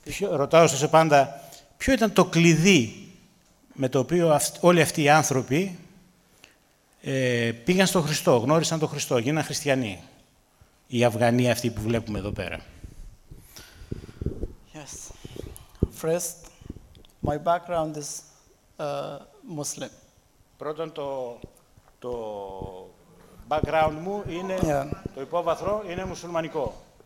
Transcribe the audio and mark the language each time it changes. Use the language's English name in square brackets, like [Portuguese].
[Greek] Ρωτάω στο Σεπάντα, ποιο ήταν το κλειδί με το οποίο όλοι αυτοί οι άνθρωποι πήγαν στον Χριστό, γνώρισαν τον Χριστό, γίναν χριστιανοί, οι Αυγανοί αυτοί που βλέπουμε εδώ πέρα. [English] Yes. First, my background is Muslim. [Greek] Πρώτον, το background μου είναι, το υπόβαθρο είναι μουσουλμανικό.